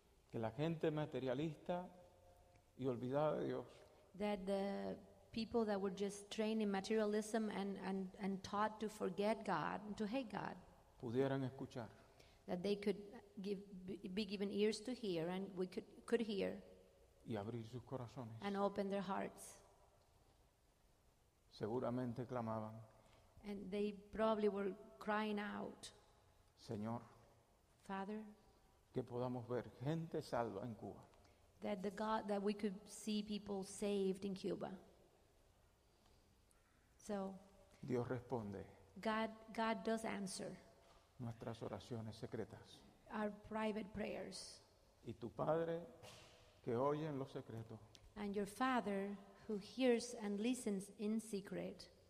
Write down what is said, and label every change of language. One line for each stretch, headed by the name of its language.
Spanish: que la gente materialista y olvidada de Dios,
English: that the people that were just trained in materialism and taught to forget God and to hate God,
Spanish: pudieran escuchar,
English: that they could be given ears to hear and we could hear,
Spanish: y abrir sus corazones,
English: and open their hearts.
Spanish: Seguramente clamaban,
English: and they probably were crying out,
Spanish: Señor,
English: Father,
Spanish: que podamos ver gente salva en Cuba,
English: that the God, that we could see people saved in Cuba. So,
Spanish: Dios responde.
English: God does answer
Spanish: nuestras oraciones secretas,
English: our private prayers.
Spanish: Y tu padre que oye en lo secreto,
English: and your Father who hears and listens in secret,